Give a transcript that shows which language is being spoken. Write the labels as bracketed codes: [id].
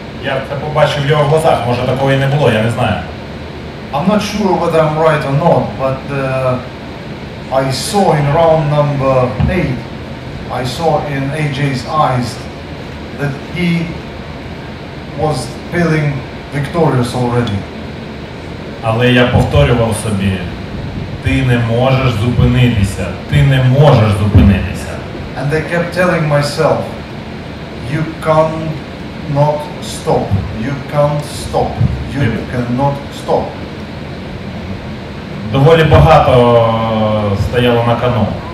[uk] Я це побачив в його глазах, може такого і не було, я не знаю. [en] I'm not sure whether I'm right or not, but I saw in round number 8, I saw in AJ's eyes that he was feeling victorious already. [uk] Але я повторював собі, ти не можеш зупинитися, ти не можеш зупинитися. [en] And I kept telling myself, you cannot stop, you can't stop, you cannot stop. [uk] Доволі багато стояло на кону.